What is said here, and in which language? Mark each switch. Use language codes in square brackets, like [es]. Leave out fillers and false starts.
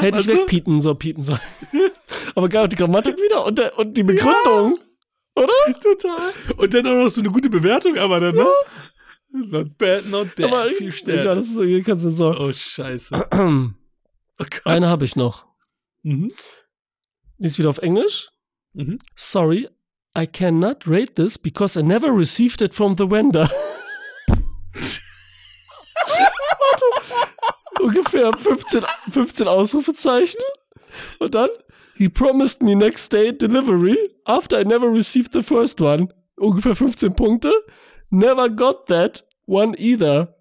[de] Hätte ich wegpiepen sollen. Aber geil, die Grammatik wieder und die Begründung. Ja. Oder? Total. Und dann auch noch so eine gute Bewertung, aber dann, ne? [en] Not bad, not bad. [de] Aber 4 Sterne. Ja, das ist so, hier kannst du so. Oh, Scheiße. Oh Gott. Eine habe ich noch. Mhm. Die ist wieder auf Englisch. Mhm. [en] Sorry, I cannot rate this because I never received it from the vendor. [de] Warte. Ungefähr 15 Ausrufezeichen. Und dann, [en] he promised me next day delivery after I never received the first one. [de] Ungefähr 15 Punkte. [en] Never got that one either.